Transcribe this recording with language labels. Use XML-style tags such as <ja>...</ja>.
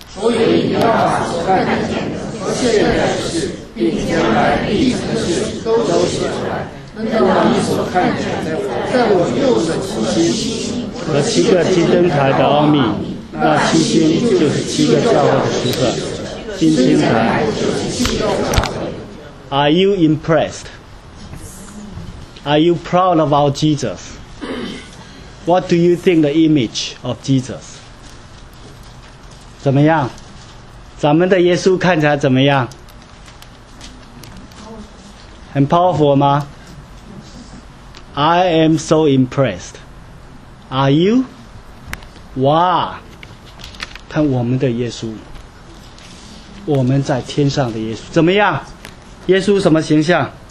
<zh>所以你要把所看见的和现在的事，并将来必成的事都写出来。” 让你所看见在我右的七星和七个金灯台的奥秘，那七星就是七个教会的使者，金星台。</zh> <en>Are you impressed? Are you proud of our Jesus? What do you think the image of Jesus?</en> <zh>怎么样？咱们的耶稣看起来怎么样？很 powerful 吗？</zh> <en>I am so impressed. Are you?</en> <zh>哇，看我们的耶稣，我们在天上的耶稣怎么样？耶稣什么形象？</zh>